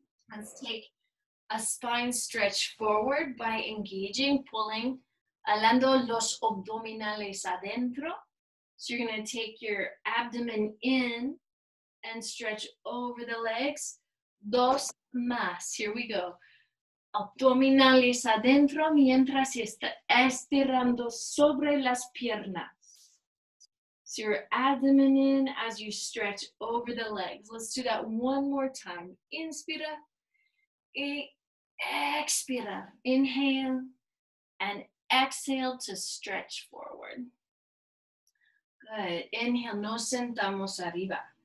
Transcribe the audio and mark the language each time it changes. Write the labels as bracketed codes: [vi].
[en] Let's take a spine stretch forward by engaging, pulling, [es] alando los abdominales adentro. [en] So you're gonna take your abdomen in and stretch over the legs. [es] Dos más, [en] here we go. [es] Abdominales adentro mientras está estirando sobre las piernas. [en] So your abdomen in as you stretch over the legs. Let's do that one more time. [es] Inspira y expira. [en] Inhale and exhale to stretch forward. Good, inhale, [es] nos sentamos arriba.